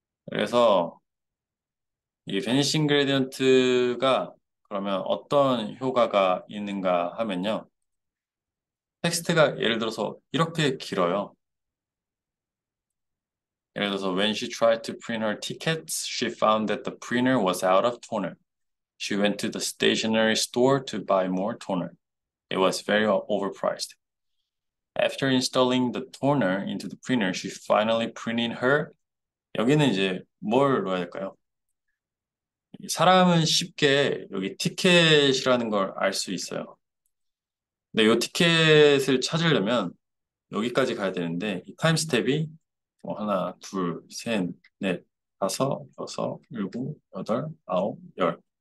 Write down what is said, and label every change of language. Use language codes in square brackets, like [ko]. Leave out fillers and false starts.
[ko] 그래서 이 베니싱 그레디언트가 그러면 어떤 효과가 있는가 하면요. 텍스트가 예를 들어서 이렇게 길어요. 예를 들어서 [en] When she tried to print her tickets, she found that the printer was out of toner. She went to the stationery store to buy more toner. It was very overpriced. After installing the toner into the printer, she finally printed her. [ko] 여기는 이제 뭘 넣어야 될까요? 사람은 쉽게 여기 티켓이라는 걸알수 있어요. 근데 이 티켓을 찾으려면 여기까지 가야 되는데 이 타임 스텝이 뭐 하나, 둘, 셋, 넷, 다섯, 여섯, 일곱, 여덟, 아홉, 열.